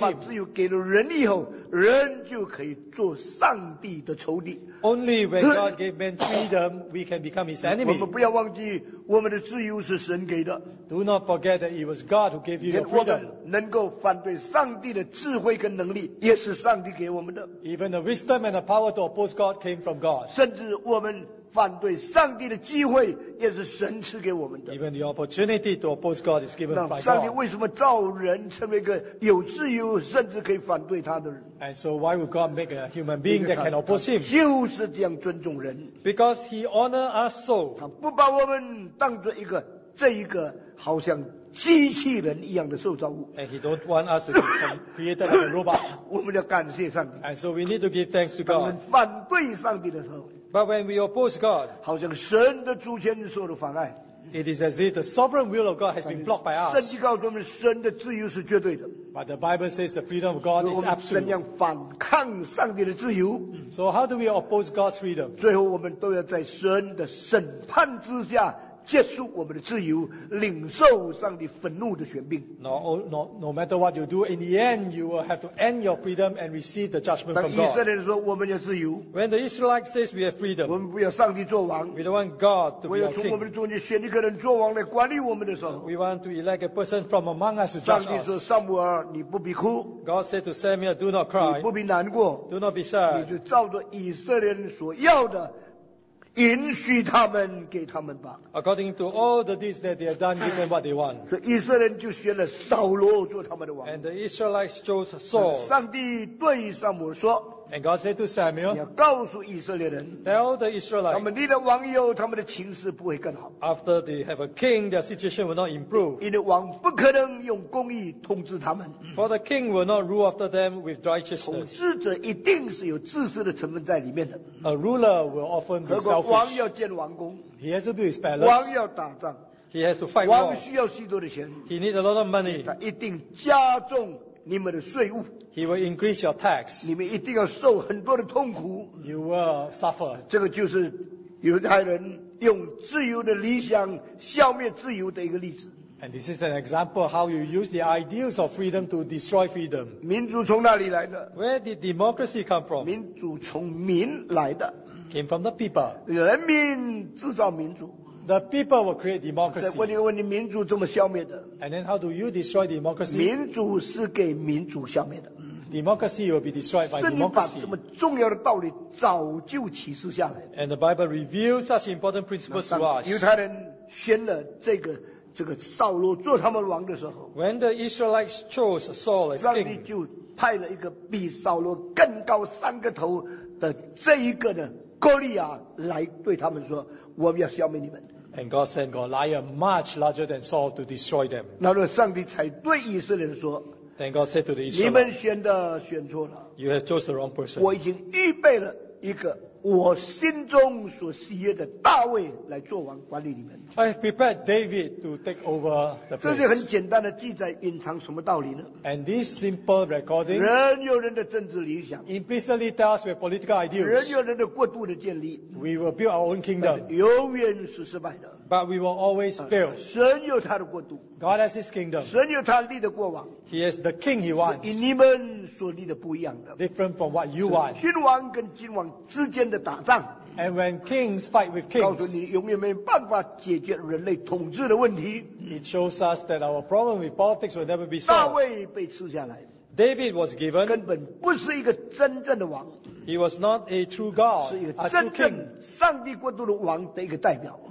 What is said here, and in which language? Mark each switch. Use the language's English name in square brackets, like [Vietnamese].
[Chinese] 上帝把自由给了人以后，人就可以做上帝的仇敌。 [English] Only when God gave man freedom, we can become his enemy. [Chinese] 我们不要忘记，我们的自由是神给的。 [English] Do not forget that it was God who gave you your freedom. [Chinese] 能够反对上帝的智慧跟能力，也是上帝给我们的。 [English] Even the wisdom and the power to oppose God came from God. [Chinese] 甚至我们反对上帝的机会，也是神赐给我们的。 [English] Even the opportunity to oppose God is given by God. [Chinese] 上帝为什么造人成为一个有自由，甚至可以反对他的人 [English] ？And so why would God make a human being that can oppose Him？ [Chinese] 就是这样尊重人。 [English] Because He honors us so. [Chinese] 他不把我们当作一个这一个好像机器人一样的受造物。 [English] And He don't want us to be created like a robot. [Chinese] 我们要感谢上帝。 [English] And so we need to give thanks to God. [Chinese] 当我们反对上帝的时候。 [English] But when we oppose God, [Chinese] 好像神的主权受了妨碍。 [English] It is as if the sovereign will of God has been blocked by us. [Chinese] 圣经告诉我们，神的自由是绝对的。 [English] But the Bible says the freedom of God is absolute. [Chinese] 我们怎样反抗上帝的自由 [English] ？So how do we oppose God's freedom? [Chinese] 最后，我们都要在神的审判之下结束我们的自由，领受上帝愤怒的权柄。 [English] No matter what you do, in the end, you will have to end your freedom and receive the judgment from God. [Chinese] 当以色列人说我们有自由 [English] ，When the Israelites says we have freedom, [Chinese] 我们不要上帝做王 [English] ，We don't want God to be our king. [Chinese] 我要从我们的中间选一个人做王来管理我们的时候 [English] ，We want to elect a person from among us to judge us. [Chinese] 上帝说撒母耳，你不必哭 [English] ，God said to Samuel, do not cry. [Chinese] 你不必难过 [English] ，Do not be sad. [Chinese] 你就照着以色列人所要的。允许他们给他们吧。 [English] According to all the deeds that they have done, give them what they want. [Chinese] 所以以色列人就选了扫罗做他们的王。 [English] And the Israelites chose Saul. [Chinese] 上帝对撒母耳说。 [English] And God said to Samuel, [Chinese] 你要告诉以色列人。 [English] Tell the Israelites. [Chinese] 他们立了王以后，他们的情势不会更好。 [English] After they have a king, their situation will not improve. [Chinese] 因为王不可能用公义统治他们。 [English] For the king will not rule after them with righteousness. [Chinese] 统治者一定是有自私的成分在里面的。 [English] A ruler will often be selfish. [Chinese] 如果王要建王宫。 [English] He has to build his palace. [Chinese] 王要打仗。 [English] He has to fight war. [Chinese] 王需要许多的钱。 [English] He needs a lot of money. [Chinese] 他一定加重你们的税务。 [English] He will increase your tax. [Chinese] 你们一定要受很多的痛苦。 [English] You will suffer. [Chinese] 这个就是犹太人用自由的理想消灭自由的一个例子。 [English] And this is an example how you use the ideals of freedom to destroy freedom. [Chinese] 民主从哪里来的？ [English] Where did democracy come from? [Chinese] 民主从民来的。 [English] Came from the people. [Chinese] 人民制造民主。 [English] The people will create democracy. [Chinese] 再问一个问题，民主怎么消灭的？ [English] And then how do you destroy democracy? [Chinese] 民主是给民主消灭的。 [English] Democracy will be destroyed by democracy. [Chinese] 是你把这么重要的道理早就启示下来。 [English] And the Bible reveals such important principles to us. [Chinese] 犹太人选了这个扫罗做他们王的时候， [English] When the Israelites chose Saul as king, [Chinese] 上帝就派了一个比扫罗更高三个头的这一个呢。哥利亚来对他们说：“我们要消灭你们。” [English] And God sent Goliath much larger than Saul to destroy them. [Chinese] 那么上帝才对以色列人说 [English] ：“Then God said to the Israelites, [Chinese] 你们选错了。 [English] You have chose the wrong person. [Chinese] 我已经预备了一个我心中所喜悦的大卫来做王管理你们。 [English] I prepared David to take over the place. [Chinese] 这是很简单的记载，隐藏什么道理呢 [English] ？And this simple recording, [Chinese] 人有人的政治理想 [English] ，implicitly tells with political ideals. [Chinese] 人有人的过度的建立 [English] ，we will build our own kingdom. [Chinese] 永远是失败的 [English] ，but we will always fail. [Chinese] 神有他的过度 [English] ，God has his kingdom. [Chinese] 神有他立的过往 [English] ，He is the king he wants. [Chinese] 与你们所立的不一样的 [English] ，different from what you want. [Chinese] 君王跟君王之间的打仗。 [English] And when kings fight with kings, [Chinese] 告诉你永远没办法解决人类统治的问题。 [English] It shows us that our problem with politics will never be solved. [Chinese] 大卫被赐下来。 [English] David was given. [Chinese] 根本不是一个真正的王。 [English] He was not a true God. [Chinese] 是一个真正上帝国度的王的一个代表。